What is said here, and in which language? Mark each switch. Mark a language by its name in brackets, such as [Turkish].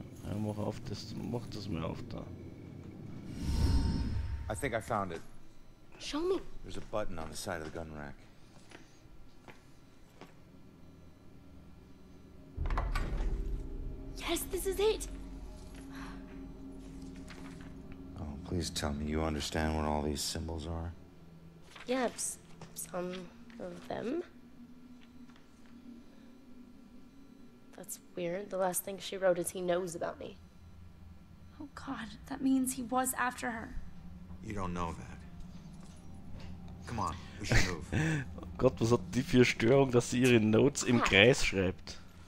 [German] Ja, mach auf, das macht das mir auf da. [English] I think I found it. Show me. There's a button on the side of the gun rack. Yes, this is it. Oh, please tell me you understand what all these symbols are. Yep, some of them. That's weird. The last thing she wrote is he knows about me. Oh God, that means he was after her. You don't know that. Come on, we should move. [German] Oh Gott, was hat die für Störung, dass sie ihre Notes im Kreis schreibt?